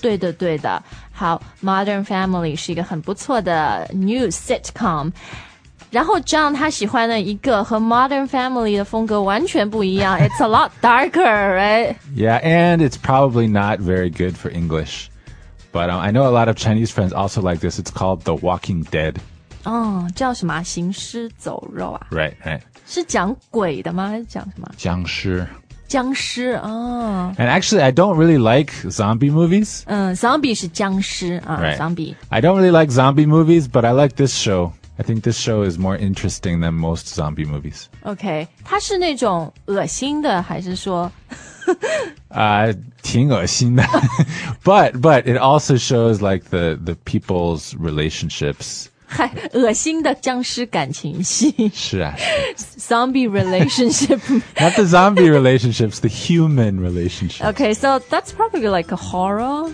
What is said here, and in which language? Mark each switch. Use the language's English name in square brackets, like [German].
[Chinese] 对的对的。好 Modern Family 是一个很不错的 new sitcom。然后 John 他喜欢的一个和 Modern Family 的风格完全不一样 [English] It's a lot darker, right? Yeah, and it's probably not very good for English. But I know a lot of Chinese friends also like this. It's called The Walking Dead. [Chinese] 叫什么行尸走肉啊 [English] Right, right. [Chinese] 是讲鬼的吗还是讲什么僵尸僵尸、 [English] And actually, I don't really like zombie movies. Zombie [Chinese] 是僵尸、 [English] right. Zombie. I don't really like zombie movies, but I like this show. I think this show is more interesting than most zombie movies. Okay. [Chinese] 它是那种恶心的还是说挺恶心的。 [English] but it also shows like the people's relationships. [Chinese] 恶心的僵尸感情戏。是啊。 [English] Zombie relationship. Not the zombie relationships, the human relationships. Okay, so that's probably like a horror.